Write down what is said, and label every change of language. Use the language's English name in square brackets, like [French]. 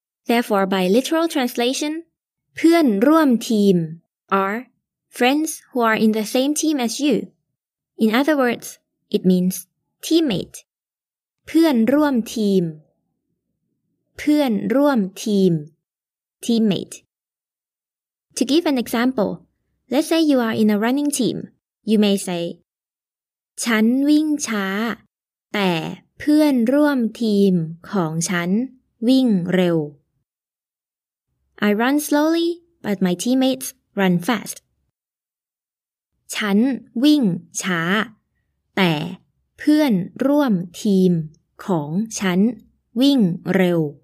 [English] Therefore, by literal translation, เพื่อนร่วมทีม are friends who are in the same team as you. In other words, it means teammate. [Thai] เพื่อนร่วมทีมเพื่อนร่วมทีม teammate. [English] To give an example, let's say you are in a running team. You may say, ฉันวิ่งช้าแต่เพื่อนร่วมทีมของฉันวิ่งเร็ว I run slowly, but my teammates run fast. [Thai] ฉันวิ่งช้าแต่เพื่อนร่วมทีมของฉันวิ่งเร็ว